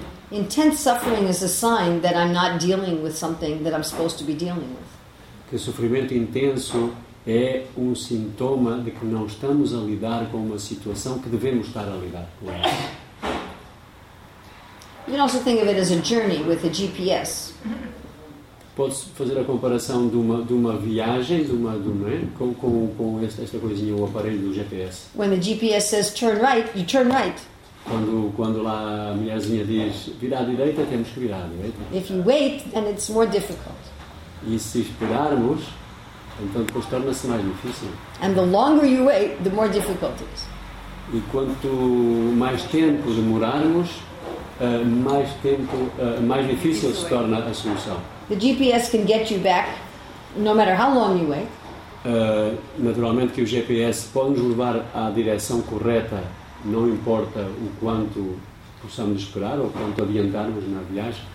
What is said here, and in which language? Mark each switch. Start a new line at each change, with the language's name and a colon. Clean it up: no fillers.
English: Intense suffering is a sign that I'm not dealing with something that I'm supposed to be dealing with.
Portuguese: Que o sofrimento intenso é um sintoma de que não estamos a lidar com uma situação que devemos estar a lidar com ela.
English: You can also think of it as a journey with a GPS.
Portuguese: Pode-se fazer a comparação de uma viagem, de uma, com esta coisinha, o aparelho do GPS.
English: When the GPS says turn right, you turn right.
Portuguese: quando lá a mulherzinha diz virar à direita, temos que virar à direita.
English: If you wait, then it's more difficult.
Portuguese: E se esperarmos, então depois torna-se mais difícil.
English: And the longer you wait, the more difficult it is.
Portuguese: E quanto mais tempo demorarmos, mais tempo, mais difícil se torna a solução.
English: The GPS can get you back, no matter how long you wait.
Portuguese: Naturalmente que o GPS pode nos levar à direção correta, não importa o quanto possamos esperar ou quanto adiantarmos na viagem.